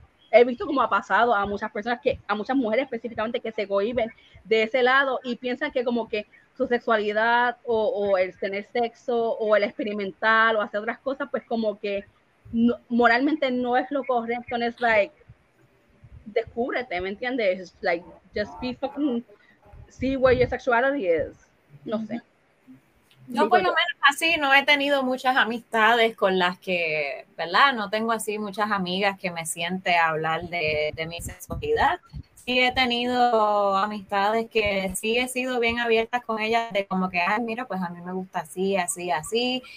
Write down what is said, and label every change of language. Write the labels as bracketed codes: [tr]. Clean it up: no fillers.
[es] he visto como ha pasado a muchas personas, que a muchas mujeres específicamente, que se cohiben de ese lado y piensan que como que su sexualidad o el tener sexo o el experimentar o hacer otras cosas, pues como que no, moralmente no es lo correcto. Es like, descúbrete, ¿me entiendes? [en] It's like, just be fucking, see where your sexuality is. [es] No sé. Yo por lo menos así no he tenido muchas amistades con las que, ¿verdad? No tengo así muchas amigas que me siente a hablar de mi sexualidad. Sí he tenido amistades que sí he sido bien abiertas con ellas, de como que, ay, mira, pues a mí me gusta así, así, así.